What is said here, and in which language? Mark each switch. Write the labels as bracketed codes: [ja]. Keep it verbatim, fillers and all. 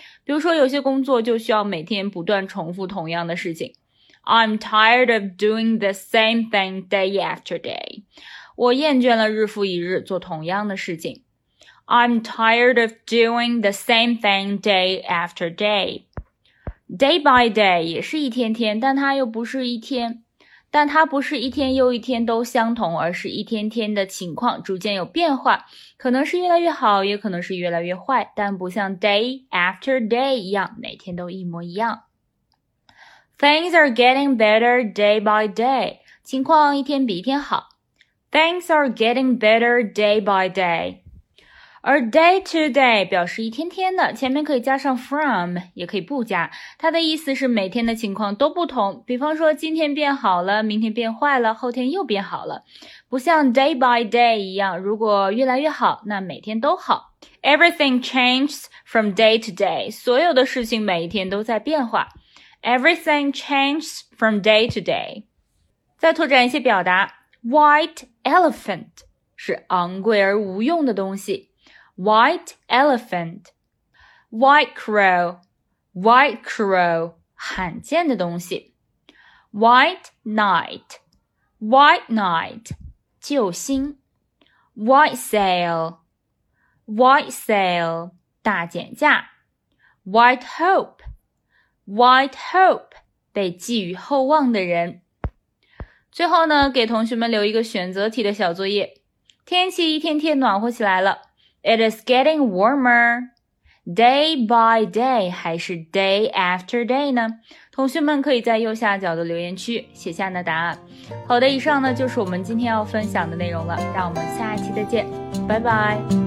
[zh] 比如说有些工作就需要每天不断重复同样的事情。 [en] I'm tired of doing the same thing day after day. [zh] 我厌倦了日复一日做同样的事情。 [en] I'm tired of doing the same thing day after day. [zh] Day by day 也是一天天，但它又不是一天，但它不是一天又一天都相同，而是一天天的情况逐渐有变化，可能是越来越好，也可能是越来越坏，但不像 day after day 一样，每天都一模一样。 [en] Things are getting better day by day. [zh] 情况一天比一天好。 [en] Things are getting better day by day. [zh] 而 day to day 表示一天天的，前面可以加上 from， 也可以不加，它的意思是每天的情况都不同，比方说今天变好了，明天变坏了，后天又变好了，不像 day by day 一样，如果越来越好，那每天都好。 [en] Everything changes from day to day， [zh] 所有的事情每一天都在变化。 [en] Everything changes from day to day。 [zh] 再拓展一些表达， white elephant 是昂贵而无用的东西。 White elephant, white crow, white crow, 罕见的东西。 White night, white night, 救星。 White sale, white sale, 大减价。 White hope, white hope, 被寄予厚望的人。最后呢，给同学们留一个选择题的小作业。天气一天天暖和起来了。 [en] It is getting warmer. [zh] Day by day 还是 day after day 呢？同学们可以在右下角的留言区写下你的答案。好的，以上呢就是我们今天要分享的内容了，让我们下一期再见，拜拜。